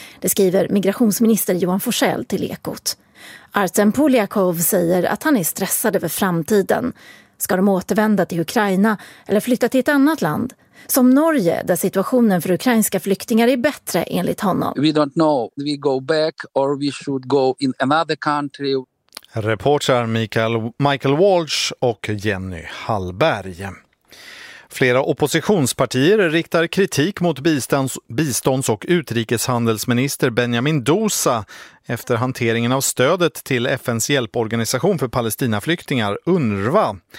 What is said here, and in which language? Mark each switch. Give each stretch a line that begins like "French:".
Swedish: Det skriver migrationsminister Johan Forssell till Ekot. Artem Polyakov säger att han är stressad över framtiden. Ska de återvända till Ukraina eller flytta till ett annat land? Som Norge, där situationen för ukrainska flyktingar är bättre enligt honom.
English: We don't know. We go back or we should go in another country.
Swedish: Reportrar Michael Walsh och Jenny Hallberg. Flera oppositionspartier riktar kritik mot bistånds- och utrikeshandelsminister Benjamin Dosa efter hanteringen av stödet till FNs hjälporganisation för Palestinaflyktingar, UNRWA.